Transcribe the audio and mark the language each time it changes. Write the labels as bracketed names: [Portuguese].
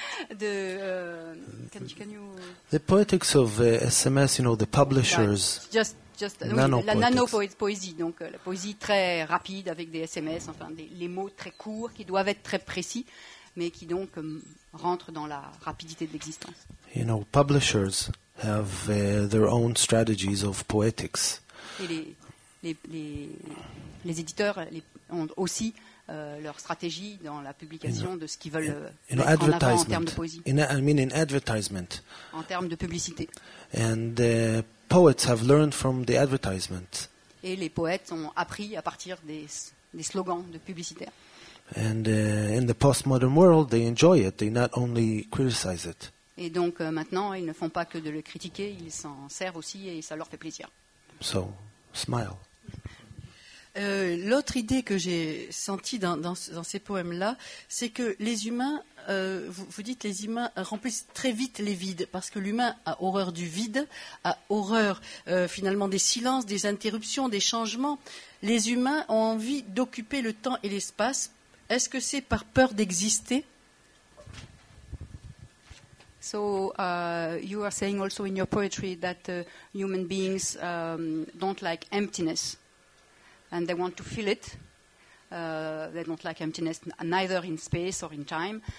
[English] The poetics of SMS, you know, the publishers. [French] La nano-poésie, donc la poésie très rapide avec des SMS, enfin les mots très courts qui doivent être très précis, mais qui donc rentrent dans la rapidité de l'existence. [English] You know, publishers have their own strategies of poetics. [French] Et les éditeurs ont aussi leur stratégie dans la publication de ce qu'ils veulent mettre en avant en termes de poésie. [English] In advertisement. [French] En termes de publicité. [English] And poets have learned from the advertisement. [French] Et les poètes ont appris à partir des slogans de publicitaires. [English] And in the postmodern world, they enjoy it. They not only criticize it. [French] Et donc maintenant, ils ne font pas que de le critiquer. Ils s'en servent aussi et ça leur fait plaisir. [English] So, smile. [French] L'autre idée que j'ai sentie dans ces poèmes-là, c'est que les humains, vous dites, les humains remplissent très vite les vides, parce que l'humain a horreur du vide, a horreur finalement des silences, des interruptions, des changements. Les humains ont envie d'occuper le temps et l'espace. Est-ce que c'est par peur d'exister? [English] So you are saying also in your poetry that human beings don't like emptiness. And they want to fill it. They don't like emptiness, neither in space or in time.